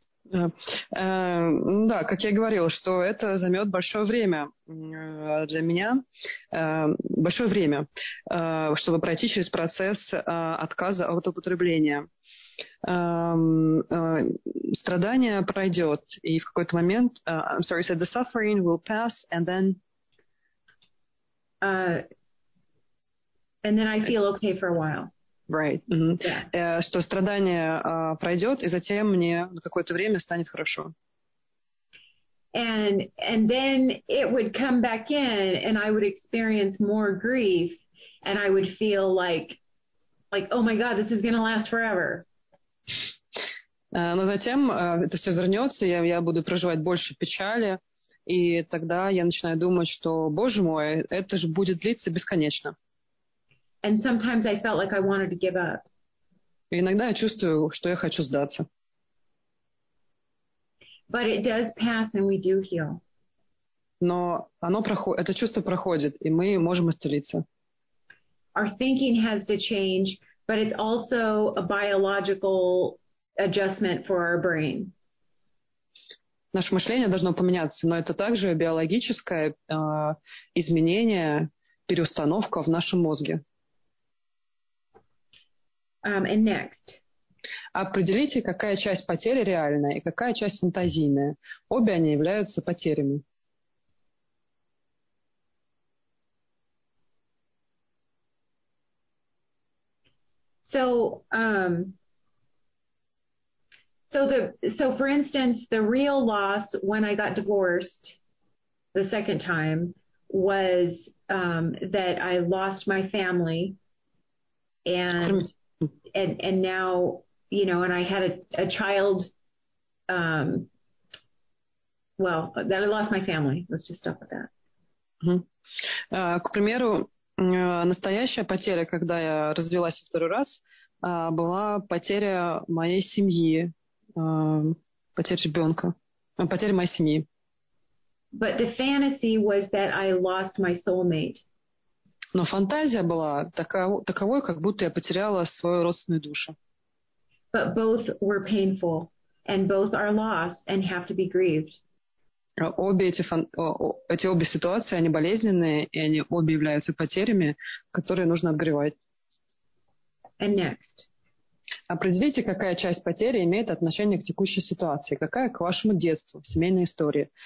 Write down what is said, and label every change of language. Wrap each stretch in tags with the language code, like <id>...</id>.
<ru>Да, как я говорил, что это займет большое время для меня, большое время, чтобы пройти через процесс отказа от употребления. Страдание пройдет, и в какой-то момент...</ru> <en>I'm sorry, so the suffering will pass, and then... And then I feel okay for a while. Right. Mm-hmm. Yeah.</en> <ru>Что страдание пройдет, и затем мне на какое-то время станет хорошо.</ru> <en>And then it would come back in and I would experience more grief and I would feel like, oh my God, this is going to last forever.</en> <ru>Но затем это все вернется, я буду проживать больше печали, и тогда я начинаю думать, что, Боже мой, это же будет длиться бесконечно.</ru> <en>And sometimes I felt like I wanted to give up.</en> <ru>И иногда я чувствую, что я хочу сдаться.</ru> <en>But it does pass and we do heal.</en> <ru>Но это чувство проходит, и мы можем исцелиться.</ru> <en>Our thinking has to change, but it's also a biological adjustment for our brain.</en> <ru>Наше мышление должно поменяться, но это также биологическое изменение, переустановка в нашем мозге.</ru> <en>And next.</en> <ru>Определите, какая часть потери реальная и какая часть фантазийная. Обе они являются потерями.</ru> <en>So for instance, the real loss when I got divorced the second time was that I lost my family and now, you know, and I had a child, well, that I lost my family. Let's just stop with that.</en> <ru>К примеру, настоящая потеря, когда я развелась второй раз, была потеря моей семьи. Потерь ребенка, потерь моей семьи.</ru> <en>But the fantasy was that I lost my soulmate.</en> <ru>Но фантазия была таковой, как будто я потеряла свою родственную душу.</ru> <en>But both were painful, and both are lost and have to be grieved.</en> <ru>Обе ситуации, они болезненные, и они обе являются потерями, которые нужно отгревать.</ru> <en>And next.</en> <ru>Определите, какая часть потери имеет отношение к текущей ситуации, какая к вашему детству, семейной истории.</ru>